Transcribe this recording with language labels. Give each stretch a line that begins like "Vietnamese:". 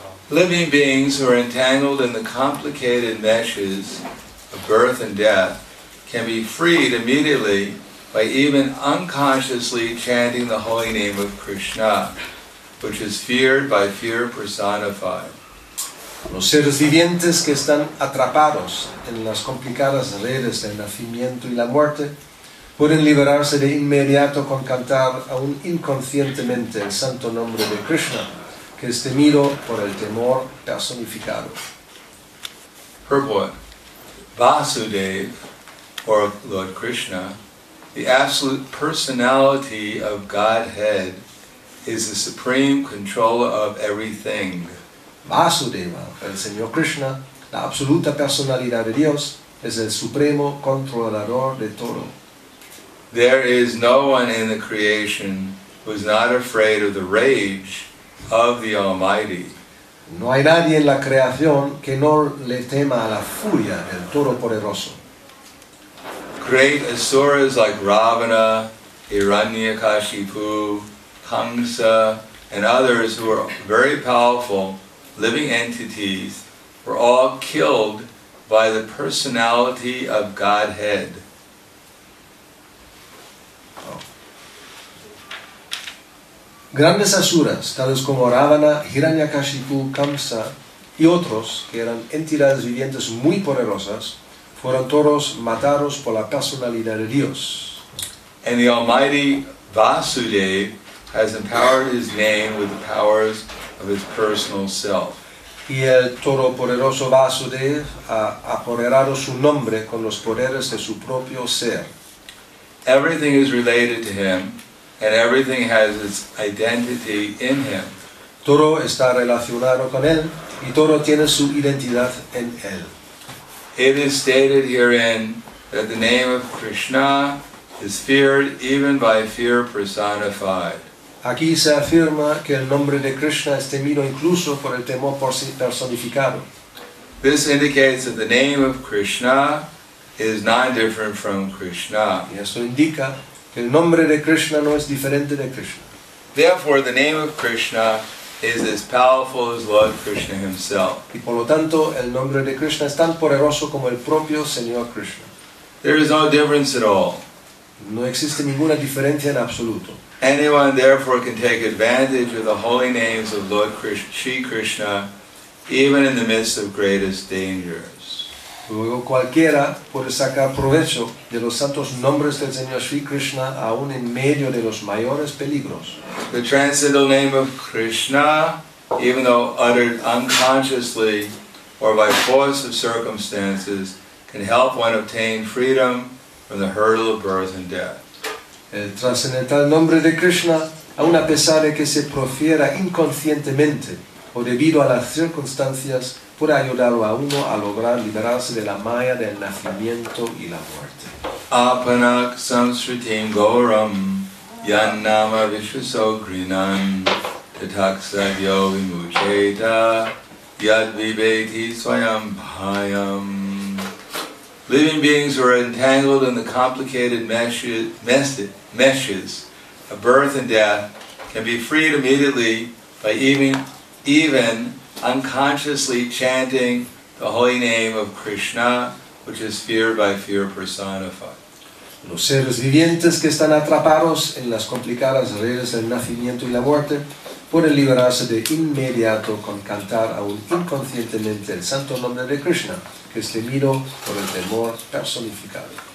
English: Living beings who are entangled in the complicated meshes of birth and death can be freed immediately by even unconsciously chanting the holy name of Krishna. which is feared by fear personified.
Spanish: Los seres vivientes que están atrapados en las complicadas redes del nacimiento y la muerte pueden liberarse de inmediato con cantar aún inconscientemente el santo nombre de Krishna, que es temido por el temor personificado.
English: Purport. Vasudev, or Lord Krishna, the absolute personality of Godhead, is the supreme controller of everything.
Spanish: Vasudeva, el Señor Krishna, la absoluta personalidad de Dios, es el supremo controlador de todo.
English: There is no one in the creation who is not afraid of the rage of the Almighty.
Spanish: No hay nadie en la creación que no le tema a la furia del Todopoderoso.
English: Great asuras like Ravana, Hiranyakashipu, Kamsa, and others who are very powerful living entities were all killed by the personality of Godhead.
Spanish: Grandes asuras, tales como Ravana, Hiranyakashipu, Kamsa y otros, que eran entidades vivientes muy poderosas, fueron todos matados por la personalidad de Dios.
English: And the Almighty Vasudev has empowered his name with the powers of his personal self.
Spanish: Y el todopoderoso Vasudev ha apoderado su nombre con los poderes de su propio ser.
English: Everything is related to him. And everything has its identity in him.
Spanish: Todo está relacionado con él, y todo tiene su identidad en él.
English: It is stated herein that the name of Krishna is feared even by fear personified.
Spanish: Aquí se afirma que el nombre de Krishna es temido incluso por el temor personificado.
English: This indicates that the name of Krishna is not different from Krishna.
Spanish: Y esto indica el nombre de Krishna no es diferente de Krishna.
English: Therefore, the name of Krishna is as powerful as Lord Krishna himself.
Spanish: Y por lo tanto, el nombre de Krishna es tan poderoso como el propio Señor Krishna.
English: There is no difference at all.
Spanish: No existe ninguna diferencia en absoluto.
English: Anyone, therefore, can take advantage of the holy names of Lord Krishna, Shri Krishna, even in the midst of greatest dangers.
Spanish: Luego cualquiera puede sacar provecho de los santos nombres del Señor Sri Krishna aún en medio de los mayores peligros.
English: The transcendental name of Krishna, even though uttered unconsciously or by force of circumstances, can help one obtain freedom from the hurdle of birth and death.
Spanish: El transcendental nombre de Krishna, aun a pesar de que se profiera inconscientemente o debido a las circunstancias, puede ayudarlo a uno a lograr liberarse de la maya del nacimiento y la muerte.
Sanskrit: Apanak samsritim gauram yannama vishuso grinan tataksadyo vimucheta yad vibeti swayam bhayam.
English: Living beings who are entangled in the complicated meshes of birth and death can be freed immediately by even unconsciously chanting the holy name of Krishna, which is feared by fear personified.
Spanish: Los seres vivientes que están atrapados en las complicadas redes del nacimiento y la muerte pueden liberarse de inmediato con cantar aún inconscientemente el santo nombre de Krishna, que es temido por el temor personificado.